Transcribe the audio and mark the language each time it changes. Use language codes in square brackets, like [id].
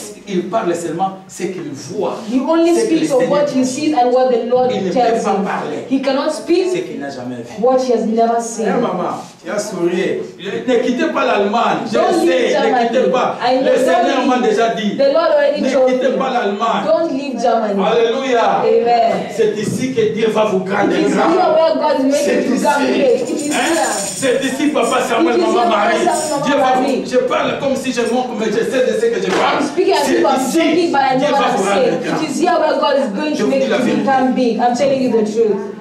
[fr] Il parle seulement ce qu'il voit. [en] He only speaks of what he sees and what the Lord [fr] il [en] tells him. [fr] Parler. [en] He cannot speak [fr] ce qu'il n'a jamais vu. [en] What he has never seen. Hey, mama. [fr] Ne quittez pas l'Allemagne. Je [en] don't [fr] sais, ne quittez pas. Le Seigneur m'a déjà dit. [en] The Lord already [fr] ne quittez pas l'Allemagne. [en] Don't leave Germany. [fr] Alléluia. [en] Amen. [fr] C'est ici que Dieu va vous garder. [en] It is here where God will make you come here. [fr] C'est ici, Papa Samuel, Maman Marie. Dieu va vous. Je parle comme si je monte, mais je sais de ce que je parle. C'est ici. Dieu va vous garder. [en] It is here where God is going to make you become big. I'm telling you the truth.